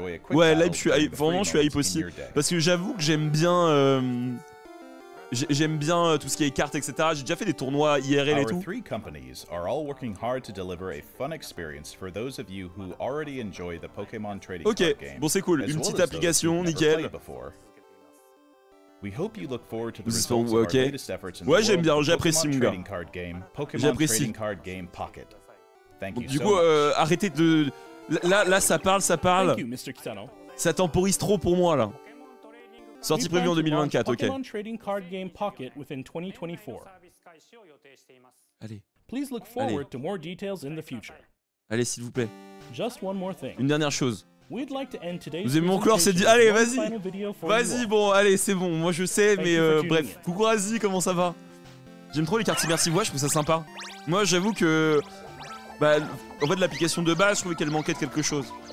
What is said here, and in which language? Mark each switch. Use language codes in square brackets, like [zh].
[fr] Ouais, là, vraiment, je suis hype aussi. Parce que j'avoue que j'aime bien... J'aime bien tout ce qui est cartes, etc. J'ai déjà fait des tournois IRL et tout. [en] Three companies are all working hard to deliver a fun experience for those of you who already enjoy the Pokémon trading card game. [fr] Ok, bon c'est cool, une petite application, nickel. [en] We hope you look forward to the results of our latest efforts in the world of Pokémon trading card game, Pokémon trading card game Pocket. Thank you so much. [fr] Du coup, arrêtez de... Là, ça parle. Ça temporise trop pour moi, là. Sortie prévue en 2024, ok. [en] Pokémon Trading Card Game Pocket within 2024. [fr] Allez. [en] Please look forward to more details in the future. [fr] Allez, s'il vous plaît. [en] Just one more thing. [fr] Une dernière chose. [en] We'd like to end today's [fr] Nous aimons clore cette... Allez, vas-y. Vas-y, bon, allez, c'est bon. Moi, je sais, mais bref. Coucou, Razi, comment ça va? J'aime trop les cartes immersives. Ouais, je trouve ça sympa. Moi, j'avoue que... Bah, en fait, l'application de base, je trouvais qu'elle manquait de quelque chose.